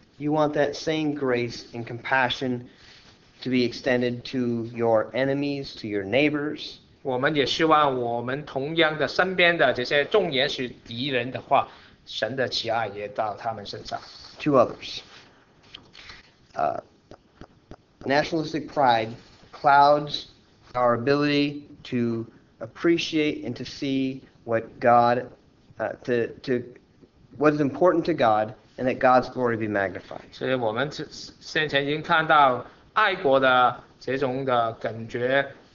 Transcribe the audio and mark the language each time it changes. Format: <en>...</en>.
<en>You want that same grace and compassion to be extended to your enemies, to your neighbors.</en> <zh>我们也希望我们同样的身边的这些纵言是敌人的话，神的慈爱也到他们身上。</zh> <en>To others, nationalistic pride clouds our ability to appreciate and to see what God, what is important to God, and that God's glory be magnified.</en> <zh>所以我们先前已经看到爱国的这种的感觉。</zh>